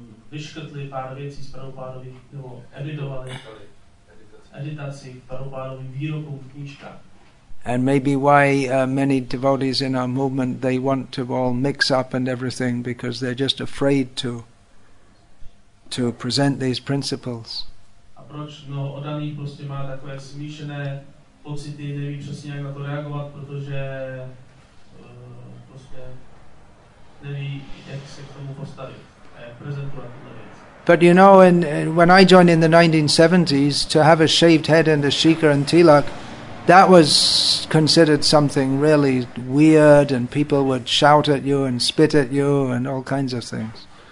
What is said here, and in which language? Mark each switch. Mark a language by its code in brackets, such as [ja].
[cs] Vyškrtli pár věcí z Prabhupádových, nebo editovali. editaci Prabhupádovy výroků v knížkách. [en] And maybe why many devotees in our movement, they want to all mix up and everything because they're just afraid to present these principles. [cs] A proč mnoho oddaných prostě má takové smíšené pocity, neví přesně jak na to reagovat, protože prostě neví jak se k tomu postavit a jak prezentovat tuto věc. [en] But you know, when I joined in the 1970s, to have a shaved head and a shikhar and tilak, that was considered something really weird, and people would shout at you and spit at you and all kinds of things.